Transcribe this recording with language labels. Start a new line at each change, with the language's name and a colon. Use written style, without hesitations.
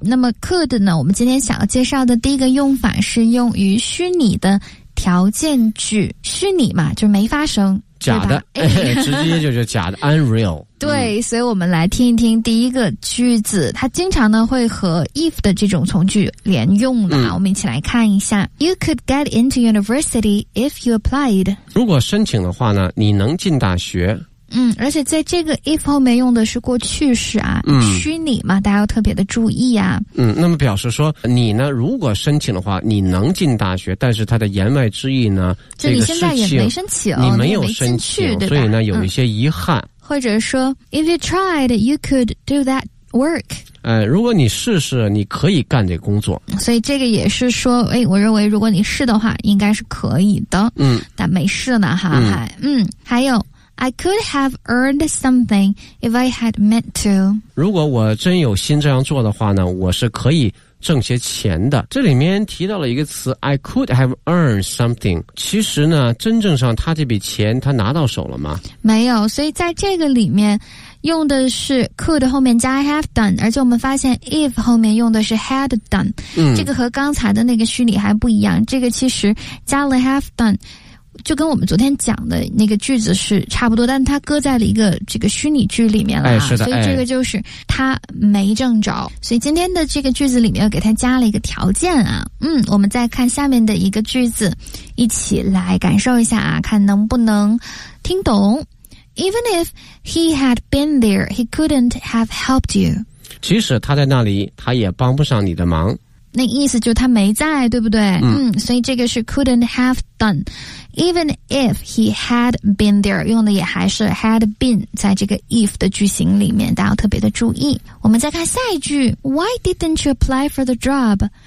Chinese: 那么 could 呢，我们今天想要介绍的第一个用法是用于虚拟的条件句。虚拟嘛，就没发生。假的，直接就是假的，unreal。对，所以我们来听一听第一个句子，它经常呢会和 if 的这种从句连用的，我们一起来看一下。
English: You could get into university if you applied。
Chinese: 如果申请的话呢，你能进大学。而且在这个 if 后面用的是过去式啊，虚拟嘛，大家要特别的注意啊。那么表示说你呢，如果申请的话，你能进大学，但是它的言外之意呢，就你现在也没申请，你没有申请，对吧？所以呢，有一些遗憾。或者说
English: ，if you tried, you could do that work。
Chinese: 如果你试试，你可以干这个工作。所以这个也是说，哎，我认为如果你试的话，应该是可以的。但没试呢，哈还还有。
English: I could have earned something if I had meant to.
Chinese: 如果我真有心这样做的话呢，我是可以挣些钱的。这里面提到了一个词 ,
English: I could have earned something.
Chinese: 其实呢，真正上他这笔钱他拿到手了吗？没有，所以在这个里面用的是 could 后面加 have done, 而且我们发现 if 后面用的是 had done,这个和刚才的那个虚拟还不一样，这个其实加了 have done,就跟我们昨天讲的那个句子是差不多，但它搁在了一个这个虚拟句里面了，是的，所以这个就是它没挣着，所以今天的这个句子里面又给它加了一个条件啊。我们再看下面的一个句子，一起来感受一下啊，看能不能听懂。
English: Even if he had been there, he couldn't have helped you.
Chinese: 即使他在那里，他也帮不上你的忙。那意思就是他没在，对不对？所以这个是 couldn't have done。
English: Even if he had been there,
Chinese: 用的也还是 had been, 在这个 if 的句型里面，大家要特别的注意。我们再看下一句
English: ,Why didn't you apply for the job?